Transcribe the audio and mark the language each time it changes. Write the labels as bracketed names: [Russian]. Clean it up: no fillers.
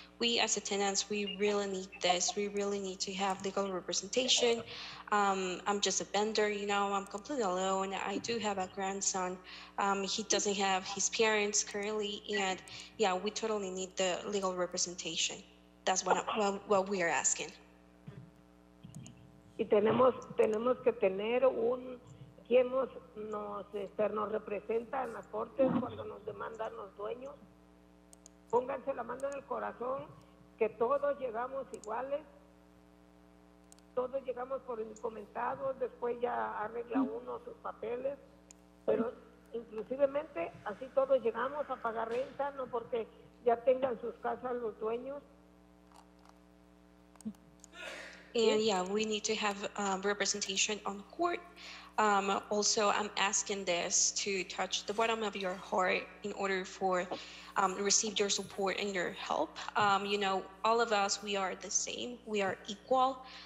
[English] We as a tenants, we really need this. We really need to have legal representation. I'm just a vendor, you know, I'm completely alone. I do have a grandson. He doesn't have his parents currently, and yeah, we totally need the legal representation. That's what we are asking. [Spanish] Y tenemos que tener un quien nos representa en las cortes cuando nos demandan los dueños. Pónganse la mano en el corazón, que todos llegamos iguales. Todos llegamos por indocumentados, después ya arregla uno sus papeles. Pero inclusivemente así todos llegamos a pagar renta, no porque ya tengan sus casas los dueños. [English] And yeah, we need to have representation on court. Also, I'm asking this to touch the bottom of your heart in order for receive your support and your help. You know, all of us, we are the same. We are equal.